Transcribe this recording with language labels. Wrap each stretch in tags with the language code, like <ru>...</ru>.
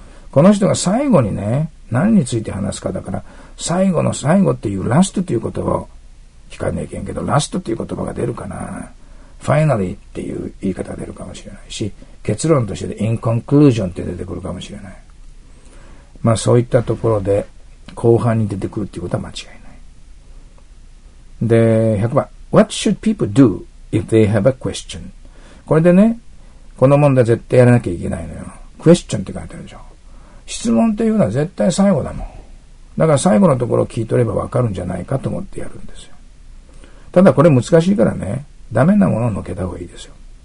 <ja>この人が最後にね、何について話すかだから、最後の最後っていう last っていう言葉を聞かねえけんけど、last っていう言葉が出るかな。 finally っていう言い方が出るかもしれないし、結論としてで</ja> <en>in conclusion</en> <ja>って出てくるかもしれない。まあそういったところで後半に出てくるっていうことは間違いない。で、100番。</ja> <en>What should people do if they have a question?</en> <ja>これでね、この問題絶対やらなきゃいけないのよ。question って書いてあるでしょ。質問っていうのは絶対最後だもん。だから最後のところを聞いとればわかるんじゃないかと思ってやるんですよ。ただこれ難しいからね。ダメなものをのけた方がいいですよ。</ja>